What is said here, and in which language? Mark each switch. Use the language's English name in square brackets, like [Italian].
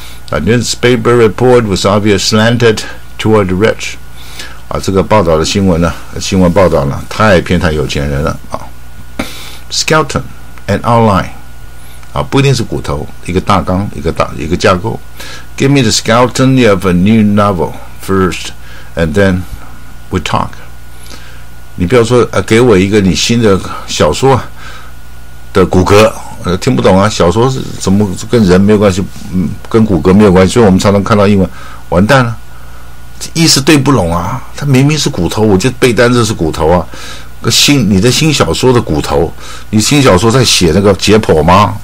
[English] 啊 ，newspaper report was obviously slanted toward the rich。 [Chinese] 啊，这个报道的新闻报道呢，太偏袒有钱人了啊。 [English] Skeleton and outline。 [Chinese] 啊，不一定是骨头，一个大纲，一个架构。 [English] Give me the skeleton of a new novel first, and then we talk。 [Chinese] 你不要说啊，给我一个你新的小说的骨骼，听不懂啊。小说是怎么跟人没有关系，跟骨骼没有关系。所以我们常常看到英文，完蛋了，意思对不拢啊。它明明是骨头，我就背单词是骨头啊。你的新小说的骨头，你新小说在写那个解剖吗？